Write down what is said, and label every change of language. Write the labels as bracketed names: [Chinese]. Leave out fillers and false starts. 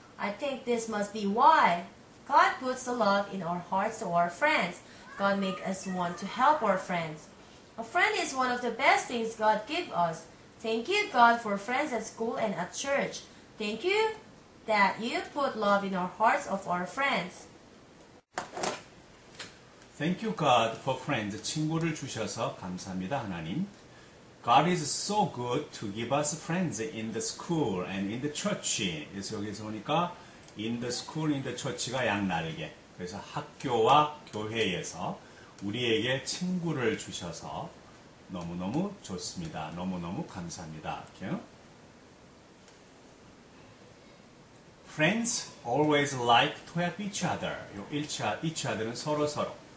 [English] I think this must be why. God puts the love in our hearts to our friends. God makes us want to help our friends. A friend is one of the best things God gives us. Thank you, God, for friends at school and at church. Thank you that you put love in our hearts of our friends. Thank you God for friends. [Korean] 친구를 주셔서 감사합니다 하나님. [English] God is so good to give us friends in the school and in the church. [Korean] 그래서 여기서 보니까 [English] in the school, in the church가 양날개. [Korean] 그래서 학교와 교회에서 우리에게 친구를 주셔서 너무너무 좋습니다. 너무너무 감사합니다. [English] Friends always like to help each other. Each other는 서로서로.